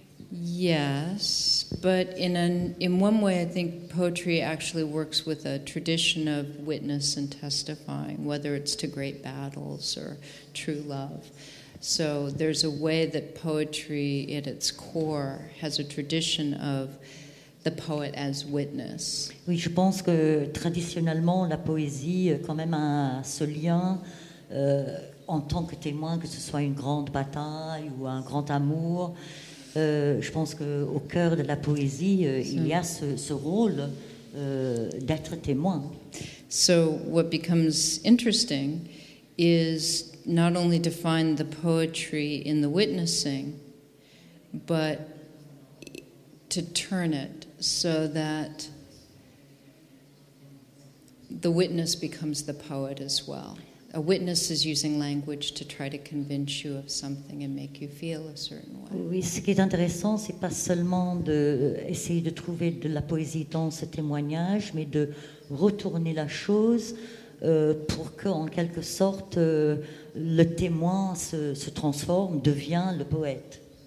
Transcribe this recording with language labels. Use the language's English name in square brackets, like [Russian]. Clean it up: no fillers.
[English] Yes, but in one way I think poetry actually works with a tradition of witness and testifying, whether it's to great battles or true love. So there's a way that poetry at its core has a tradition of the poet as witness. [French] Oui, je pense que traditionnellement la poésie quand même a ce lien en tant que témoin, que ce soit une grande bataille ou un grand amour. Je pense que au cœur de la poésie il y a ce rôle d'être témoin. [English] So what becomes interesting is not only to find the poetry in the witnessing, but to turn it so that the witness becomes the poet as well. a witness is using language to try to convince you of something and make you feel a certain way. [French] Oui, ce qui est intéressant, c'est pas seulement de essayer de trouver de la poésie dans ce témoignage, mais de retourner la chose pour que, en quelque sorte, le témoin se transforme, devient le poète.